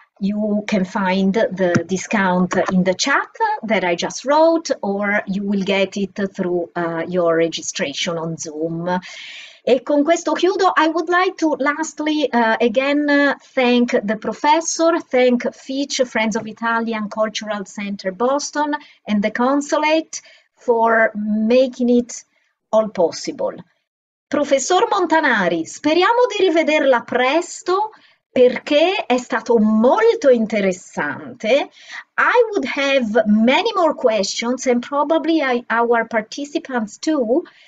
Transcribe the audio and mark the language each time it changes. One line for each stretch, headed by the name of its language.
English: You can find the discount in the chat that I just wrote, or you will get it through your registration on Zoom.
Italian: E con questo chiudo.
English: I would like to lastly again thank the professor, thank FICC, Friends of Italian Cultural Center Boston, and the consulate for making it all possible.
Italian: Professor Montanari, speriamo di rivederla presto, perché è stato molto interessante.
English: I would have many more questions and probably our participants too.